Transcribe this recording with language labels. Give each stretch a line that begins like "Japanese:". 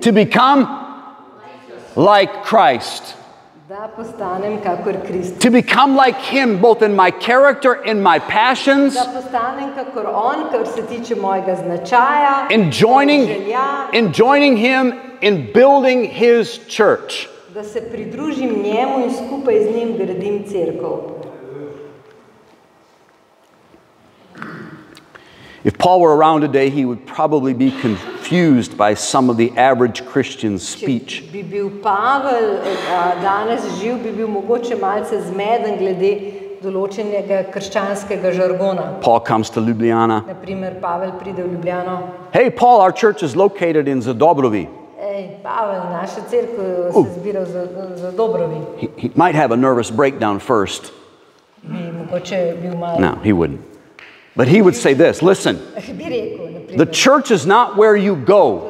English: To become like Christ.
Slovenian: Da postanem kakor Krist.
English: To become like Him, both in my character, in my passions.
Slovenian: Da postanem kakor On, kar se tiče mojega značaja.
English: In joining Him in building His church.
Slovenian: Da se pridružim njemu in skupaj z njim gradim cerkev.
English: If Paul were around today, he would probably be confused by some of the average Christian's speech.
Slovenian: Če bi bil Pavel danes živ, bi bil mogoče malce zmeden glede določenega krščanskega žargona.
English: Paul comes to Ljubljana.
Slovenian: Na primer, Pavel pride v Ljubljano.
English: Hey Paul, our church is located in Zadobrovi.
Slovenian: Hey Pavel, naša cerkev se zbira v Zadobrovi.
English: He might have a nervous breakdown first.
Slovenian: Mogoče bil mal.
English: No, he wouldn't. But he would say this, listen, the church is not where you go.